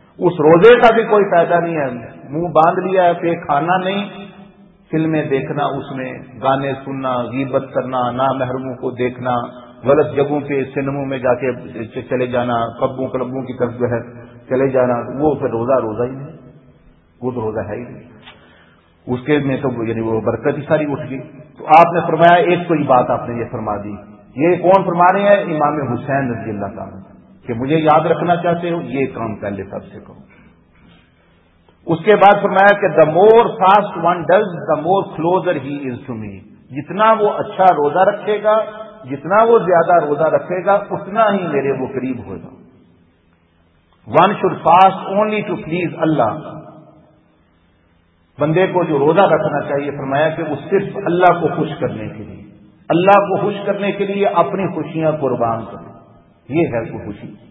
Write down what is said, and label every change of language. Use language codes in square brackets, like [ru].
[ur] اس روزے کا بھی کوئی فائدہ نہیں ہے، منہ باندھ لیا ہے کہ کھانا نہیں، فلمیں دیکھنا، اس میں گانے سننا، غیبت کرنا، نامحرموں کو دیکھنا، غلط جگہوں پہ سنیموں میں جا کے چلے جانا، کبوں کلبوں کی طرف جو ہے چلے جانا، وہ پھر روزہ روزہ ہی نہیں، وہ تو روزہ ہے ہی نہیں، اس کے میں تو یعنی وہ برکت ہی ساری اٹھ گئی. تو آپ نے فرمایا، ایک تو یہ بات آپ نے یہ فرما دی، یہ کون فرما رہے ہیں؟ امام حسین رضی اللہ تعالیٰ کہ مجھے یاد رکھنا چاہتے ہو، یہ کام پہلے سب سے کرو. [en] اس کے بعد فرمایا کہ the more fast one does the more closer he is to me. [ur] جتنا وہ اچھا روزہ رکھے گا، جتنا وہ زیادہ روزہ رکھے گا اتنا ہی میرے وہ قریب ہوگا. [en] One should fast only to please Allah. [ur] بندے کو جو روزہ رکھنا چاہیے فرمایا کہ وہ صرف اللہ کو خوش کرنے کے لیے، اللہ کو خوش کرنے کے لیے اپنی خوشیاں قربان کریں، یہ ہے وہ خوشی.